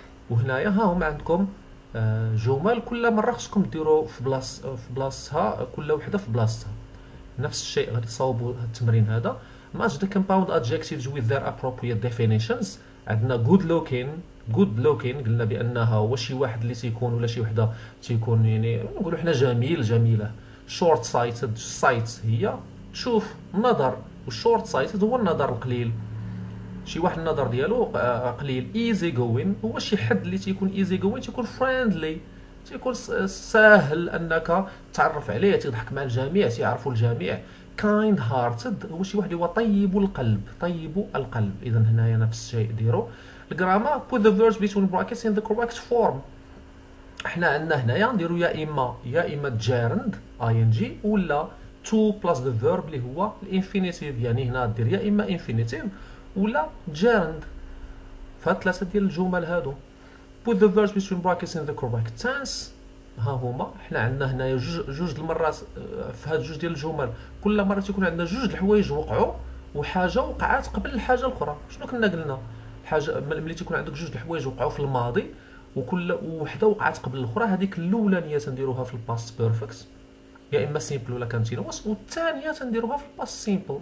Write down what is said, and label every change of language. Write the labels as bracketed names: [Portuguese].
[Arabic] وهنايا ها هم عندكم جمل، كل مره خصكم ديروا في بلاصتها، كل وحده في بلاصتها. نفس الشيء غادي تصاوبوا التمرين هذا. [English] match the compound adjectives with their appropriate definitions. [Arabic] عندنا good looking، قلنا بانها وشي واحد اللي تيكون ولا شي وحده تيكون، يعني نقولوا حنا جميل جميله. short sighted، sight هي تشوف نظر، والشورت sighted هو النظر القليل، شي واحد النظر ديالو قليل. easy going هو شي حد اللي تيكون easy going، تيكون friendly، تيكون ساهل انك تعرف عليه، تضحك مع الجميع، تيعرفوا الجميع. kind hearted هو شي واحد اللي هو طيب القلب، طيب القلب. اذا هنايا نفس الشيء ديرو. الجرامر، [English] put the verbs between brackets in the correct form. [Arabic] احنا عندنا هنايا نديرو يا اما gerund ing ولا [English] to plus the verb [Arabic] اللي هو الانفينيتيف، يعني هنا دير يا اما انفينيتيف ولا gerund. فهاد ثلاثة ديال الجمل هادو. [English] put the verbs between brackets in the correct tense. [Arabic] ها هما احنا عندنا هنا جوج المرات في هاد جوج ديال الجمل، كل مره تيكون عندنا جوج الحوايج وقعوا، وحاجه وقعت قبل الحاجه الاخرى. شنو كنا قلنا؟ حاجه ملي تيكون عندك جوج الحوايج وقعوا في الماضي، وكل وحده وقعت قبل الاخرى، هذيك الاولانيه تنديروها في الباست بيرفكت يا اما سيمبل ولا كونتينوس، والثانيه تنديروها في الباست سيمبل.